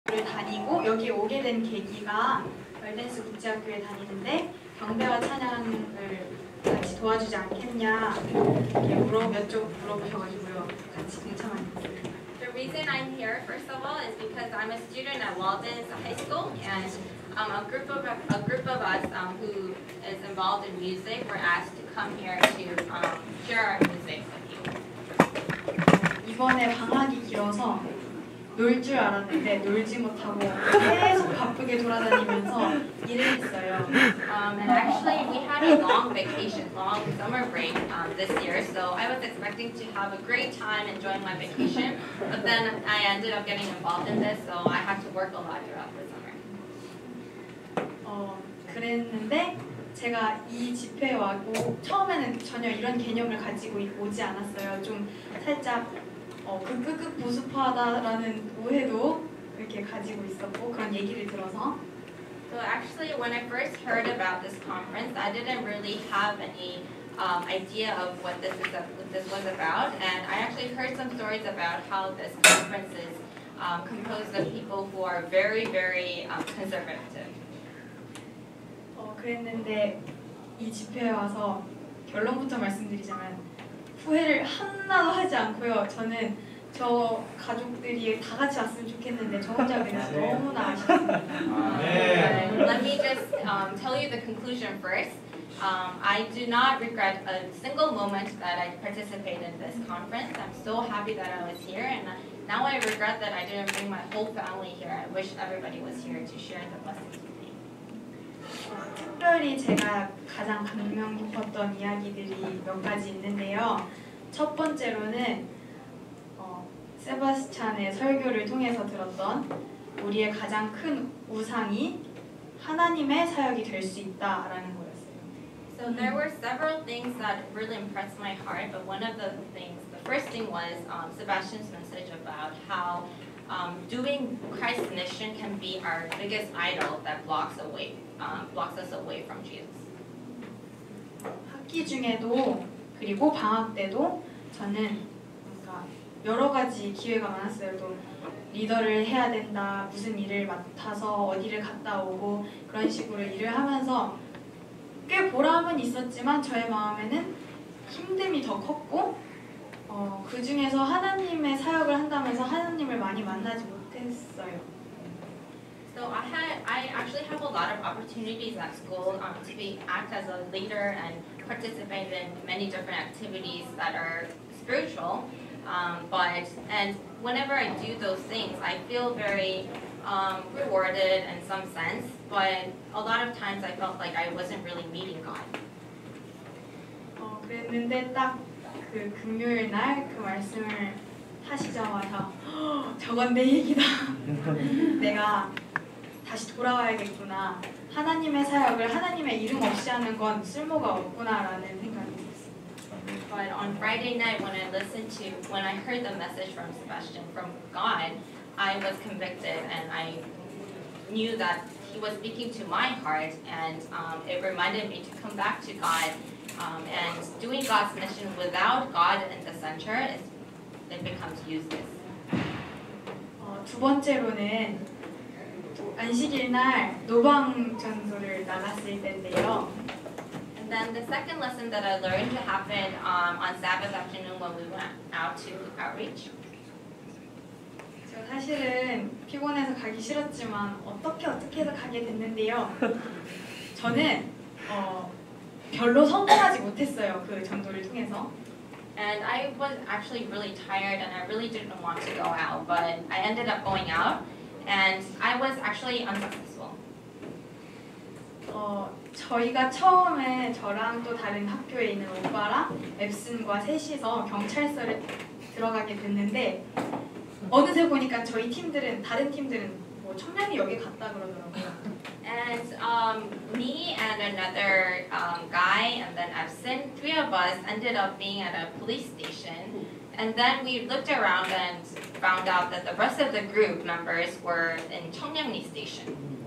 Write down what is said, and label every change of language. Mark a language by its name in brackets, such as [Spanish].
[Korean] 대학교에 다니고 여기 오게 된 계기가 밸런스 국제학교에 다니는데 경배와 찬양을 같이 도와주지 않겠냐 이렇게 몇 쪽 물어보셔가지고요 같이 동참한 [English] The reason I'm here, first of all, is because I'm a student at Walden's High School, and a group of us who is involved in music were asked to come here to share our music with you. [Korean] 이번에 방학이 길어서 놀 줄 알았는데 놀지 못하고 계속 바쁘게 돌아다니면서 일을 했어요. [English] And actually, we had a long vacation, long summer break this year, so I was expecting to have a great time enjoying my vacation, but then I ended up getting involved in this, so I had to work a lot throughout the summer. [Korean] 그랬는데 제가 이 집회에 와고 처음에는 전혀 이런 개념을 가지고 오지 않았어요. 좀 살짝 끄끄끄 보수파다라는 오해도 이렇게 가지고 있었고 그런 얘기를 들어서 [English] So actually when I first heard about this conference I didn't really have any idea of what this was about and I actually heard some stories about how this conference is composed of people who are very very conservative [Korean] 그랬는데 이 집회에 와서 결론부터 말씀드리자면 후회를 하나도 하지 않고요. 저는 저 가족들이 다 같이 왔으면 좋겠는데 저 혼자 그냥 너무나 아쉽습니다. 네. [English] Let me just tell you the conclusion first. I do not regret a single moment that I participated in this conference. I'm so happy that I was here. And now I regret that I didn't bring my whole family here. I wish everybody was here to share the blessings with me. [Korean] 특별히 제가 가장 감명 깊었던 이야기들이 몇 가지 있는데요. 첫 번째로는 세바스찬의 설교를 통해서 들었던 우리의 가장 큰 우상이 하나님의 사역이 될 수 있다라는 거였어요. [English] So there were several things that really impressed my heart, but one of the things, the first thing was Sebastian's message about how doing Christ's mission can be our biggest idol that blocks us away from Jesus. [Korean] 학기 중에도 그리고 방학 때도 저는 뭔가 여러 가지 기회가 많았어요. 또 리더를 해야 된다, 무슨 일을 맡아서 어디를 갔다 오고 그런 식으로 일을 하면서 꽤 보람은 있었지만 저의 마음에는 힘듦이 더 컸고 그 중에서 하나님의 사역을 한다면서 하나님을 많이 만나지 못했어요. [English] So I actually have a lot of opportunities at school to be act as a leader and participate in many different activities that are spiritual. But whenever I do those things, I feel very rewarded in some sense. But a lot of times I felt like I wasn't really meeting God. [Korean] 그랬는데 딱 그 금요일 날 그 말씀을 하시자마자 저건 내 얘기다. 내가 다시 돌아와야겠구나. 하나님의 사역을 하나님의 이름 없이 하는 건 쓸모가 없구나라는 생각이 들었어요. [English] But on Friday night when I listened to when I heard the message from Sebastian from God, I was convicted and I knew that he was speaking to my heart and it reminded me to come back to God. And doing God's mission without God in the center it becomes useless. [Korean] 두 번째로는 안식일날 노방 전도를 나갔을 때인데요. [English] And then the second lesson that I learned happened on Sabbath afternoon when we went out to outreach. [Korean] 저 사실은 피곤해서 가기 싫었지만 어떻게 해서 가게 됐는데요. 저는 별로 성공하지 못했어요. 그 전도를 통해서. [English] And I was actually really tired and I really didn't want to go out, but I ended up going out. And I was actually unsuccessful. [Korean] 저희가 처음에 저랑 또 다른 학교에 있는 오빠랑 앱슨과 셋이서 경찰서에 들어가게 됐는데 어느새 보니까 저희 팀들은 다른 팀들은 뭐 천명이 여기 갔다 그러더라고요. [English] And me and another guy and then Epson, three of us ended up being at a police station. And then we looked around and found out that the rest of the group members were in Cheongnyang-ni station.